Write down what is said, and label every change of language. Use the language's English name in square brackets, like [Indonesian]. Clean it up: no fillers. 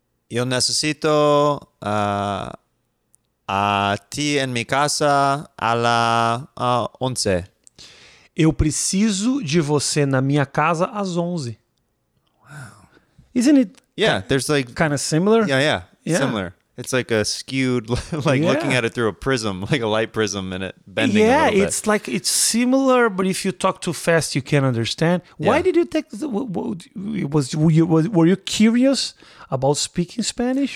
[Spanish] Yo necesito a ti en mi casa a la 11. [Portuguese] Eu preciso de você na minha casa às 11. [English] Wow. Isn't it? Yeah, there's like kind of similar. Yeah, similar. It's like a skewed, like looking at it through a prism, like a light prism, and it bending a little bit. Yeah, it's like, it's similar, but if you talk too fast, you can't understand. Why did you take, were you curious about speaking Spanish?